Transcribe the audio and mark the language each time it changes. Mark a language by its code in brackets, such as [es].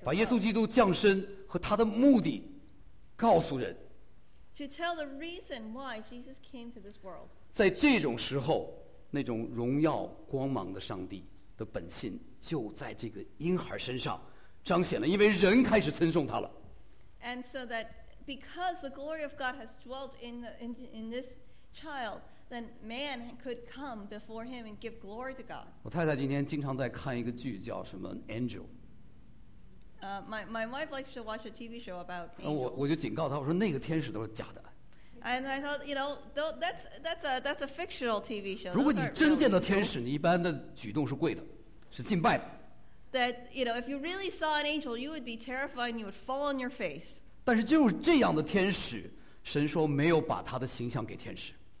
[zh] 把耶稣基督降生和他的目的告诉人。 [en] To tell the reason why Jesus came to this world. [zh] 在这种时候，那种荣耀光芒的上帝的本性就在这个婴孩身上彰显了，因为人开始称颂他了。 [en] And so that because the glory of God has dwelt in this child, then man could come before him and give glory to God. [zh] 我太太今天经常在看一个剧，叫什么 Angel。 [en] My wife likes to watch a TV show about angels. [zh] 我就警告她，我说那个天使都是假的。 [en] And I thought, you know, that's a fictional TV show. [zh] 如果你真见到天使，你一般的举动是跪的，是敬拜的。 [en] That, you know, if you really saw an angel, you would be terrified and you would fall on your face. [zh] 但是就是这样的天使，神说没有把他的形象给天使。